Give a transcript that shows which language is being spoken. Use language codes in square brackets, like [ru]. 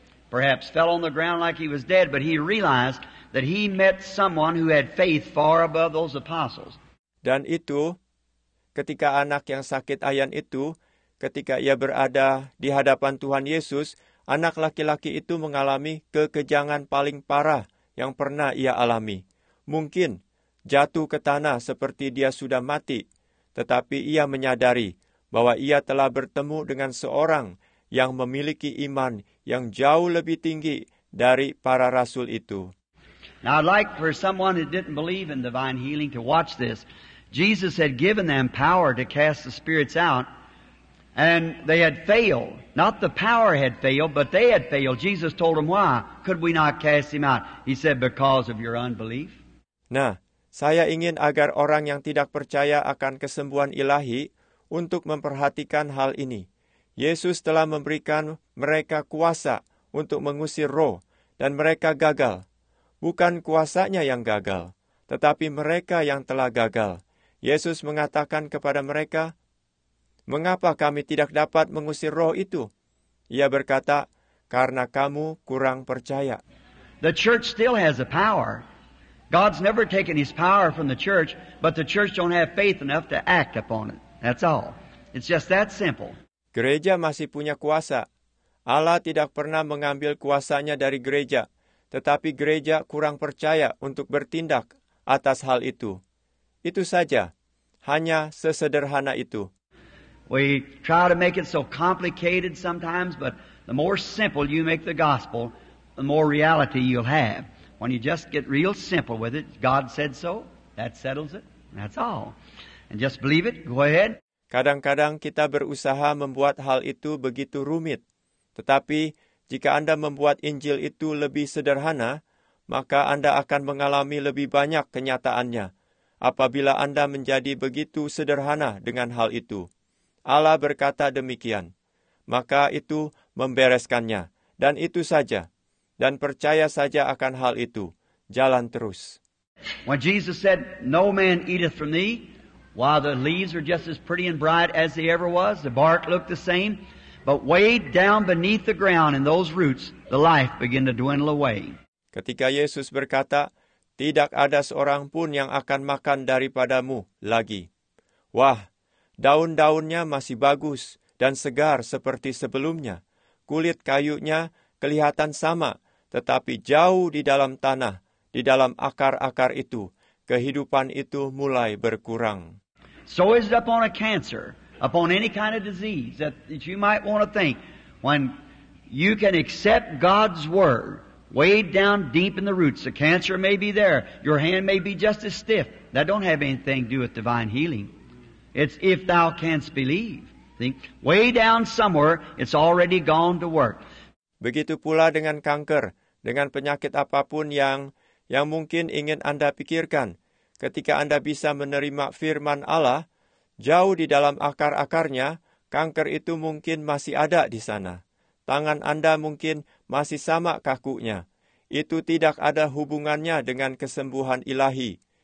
[en] Perhaps fell on the ground like he was dead, but he realized that he met someone who had faith far above those apostles. [id] Dan itu, ketika anak yang sakit ayan itu, ketika ia berada di hadapan Tuhan Yesus, anak laki-laki itu mengalami kekejangan paling parah yang pernah ia alami. Mungkin jatuh ke tanah seperti dia sudah mati, tetapi ia menyadari bahwa ia telah bertemu dengan seorang yang memiliki iman yang jauh lebih tinggi dari para rasul itu. [en] Now I'd like for someone that didn't believe in divine healing to watch this. Jesus had given them power to cast the spirits out, and they had failed. Not the power had failed, but they had failed. Jesus told them, "Why could we not cast him out?" He said, "Because of your unbelief." [id] Nah, saya ingin agar orang yang tidak percaya akan kesembuhan ilahi untuk memperhatikan hal ini. Yesus telah memberikan mereka kuasa untuk mengusir roh, dan mereka gagal. Bukan kuasanya yang gagal, tetapi mereka yang telah gagal. Yesus mengatakan kepada mereka, "Mengapa kami tidak dapat mengusir roh itu?" Ia berkata, "Karena kamu kurang percaya." [en] The church still has a power. God's never taken his power from the church, but the church don't have faith enough to act upon it. That's all. It's just that simple. [id] Gereja masih punya kuasa. Allah tidak pernah mengambil kuasanya dari gereja. Tetapi gereja kurang percaya untuk bertindak atas hal itu. Itu saja. Hanya sesederhana itu. [en] We try to make it so complicated sometimes, but the more simple you make the gospel, the more reality you'll have. When you just get real simple with it, God said so, that settles it, that's all. And just believe it, go ahead. [id] Kadang-kadang kita berusaha membuat hal itu begitu rumit. Tetapi jika Anda membuat Injil itu lebih sederhana, maka Anda akan mengalami lebih banyak kenyataannya. Apabila Anda menjadi begitu sederhana dengan hal itu. Allah berkata demikian. Maka itu membereskannya. Dan itu saja. Dan percaya saja akan hal itu. Jalan terus. [en] When Jesus said, "No man eateth from thee," while the leaves are just as pretty and bright as they ever was, the bark looked the same, but way down beneath the ground in those roots, the life began to dwindle away. [id] Ketika Yesus berkata, "Tidak ada seorang pun yang akan makan daripadamu lagi." Wah, daun-daunnya masih bagus dan segar seperti sebelumnya. Kulit kayunya kelihatan sama, tetapi jauh di dalam tanah, di dalam akar-akar itu, kehidupan itu mulai berkurang. [en] So is it upon a cancer, upon any kind of disease that you might want to think, when you can accept God's word, way down deep in the roots, the cancer may be there, your hand may be just as stiff. That don't have anything to do with divine healing. It's if thou canst believe. Think way down somewhere, it's already gone to work. [id] Begitu pula dengan kanker, dengan penyakit apapun yang mungkin ingin Anda pikirkan. Ketika Anda bisa menerima firman Allah, jauh di dalam akar-akarnya, kanker itu mungkin masih ada di sana. Tangan Anda mungkin masih sama kakunya. Itu tidak ada hubungannya dengan kesembuhan ilahi.